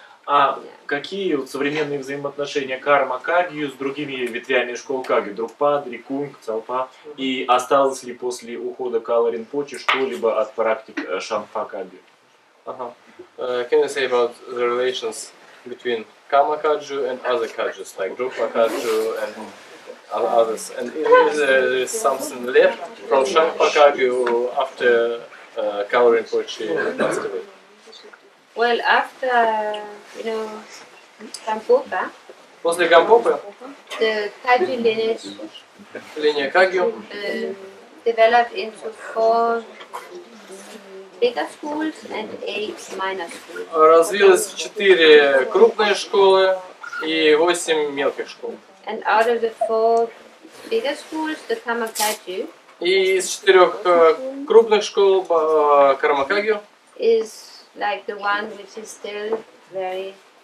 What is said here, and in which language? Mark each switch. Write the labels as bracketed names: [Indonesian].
[Russian] А какие современные взаимоотношения карма кагью с другими ветвями школ кагью? Другпа, дрикунг, цалпа. И осталось ли после ухода Кала Ринпоче что-либо от практик шанфа кагью? [English] Can you say about the relations between karma kagyu and other kagyus, like drukpa kagyu and others? And is there something left from shanfa kagyu after Kala Ринпоче passed away? Well, after, you know, Гампопа. [Russian] После Гампопы. [English] The Kagyu lineage. [Russian] Линия Кагью. [English] Developed into four bigger schools and eight minor schools. [Russian] Развилось в четыре крупные школы и восемь мелких школ. [English] And out of the four bigger schools, the Karma Kagyu. [Russian] И из четырех крупных школ Карма Кагью. [English] Is like the one which is still very